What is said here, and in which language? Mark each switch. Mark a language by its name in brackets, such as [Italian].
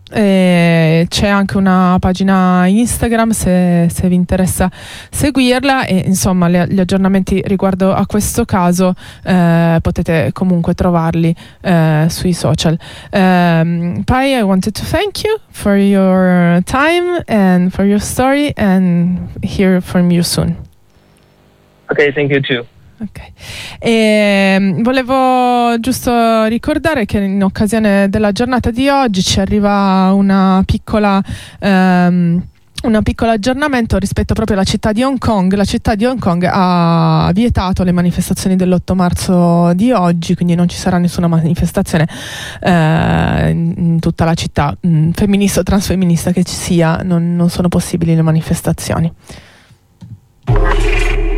[Italian] C'è anche una pagina Instagram se vi interessa seguirla, e insomma gli aggiornamenti riguardo a questo caso potete comunque trovarli sui social. [English] Pai, I wanted to thank you for your time and for your story and hear from you soon. Okay, thank you too. Okay. [Italian] E volevo giusto ricordare che in occasione della giornata di oggi ci arriva una piccola aggiornamento rispetto proprio alla città di Hong Kong. La città di Hong Kong ha vietato le manifestazioni dell'8 marzo di oggi, quindi non ci sarà nessuna manifestazione in tutta la città, femminista o transfemminista che ci sia, non sono possibili le manifestazioni.